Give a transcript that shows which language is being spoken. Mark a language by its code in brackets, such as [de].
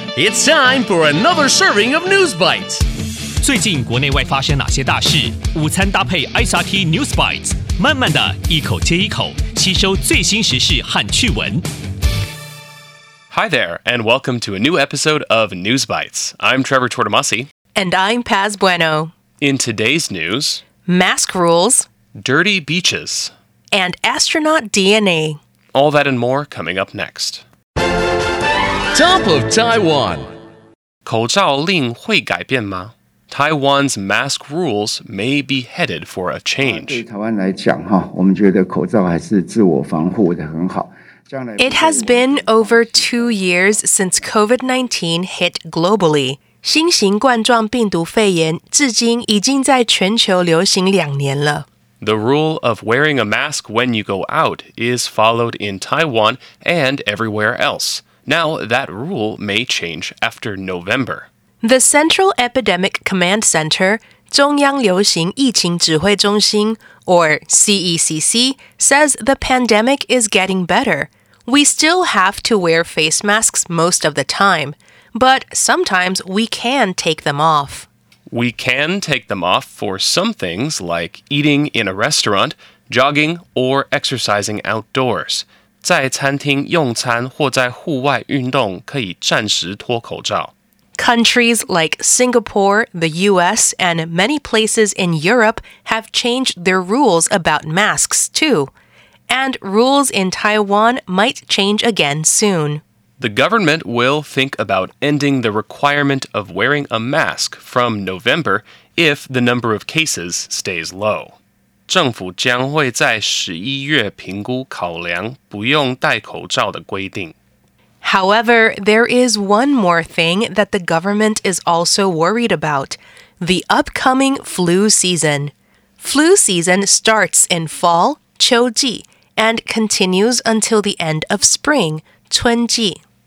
[en] It's time for another serving of News Bites. [zh] 最近国内外发生哪些大事？午餐搭配 SRT News Bites， 慢慢的一口接一口，吸收最新时事和趣闻。 [en] Hi there, and welcome to a new episode of News Bites. I'm Trevor Tortomasi. And I'm Paz Bueno. In today's news, mask rules, dirty beaches, and astronaut DNA. All that and more coming up next. Top of Taiwan. [zh] 口罩令会改变吗？ [en] Taiwan's mask rules may be headed for a change. [zh] 对台湾来讲，我们觉得口罩还是自我防护的很好。 [en] It has been over 2 years since COVID-19 hit globally. [zh] 新型冠状病毒肺炎至今已经在全球流行两年了。 [en] The rule of wearing a mask when you go out is followed in Taiwan and everywhere else. Now, that rule may change after November. The Central Epidemic Command Center, 中央流行疫情指挥中心, or CECC, says the pandemic is getting better. We still have to wear face masks most of the time, but sometimes we can take them off. We can take them off for some things like eating in a restaurant, jogging, or exercising outdoors. [zh] 在餐厅用餐或在户外运动可以暂时脱口罩。 [en] Countries like Singapore, the US, and many places in Europe have changed their rules about masks, too. And rules in Taiwan might change again soon. The government will think about ending the requirement of wearing a mask from November if the number of cases stays low. [zh] 政府将会在11月评估考量不用戴口罩的规定。 [en] However, there is one more thing that the government is also worried about, the upcoming flu season. Flu season starts in fall, 秋季, and continues until the end of spring, 春季.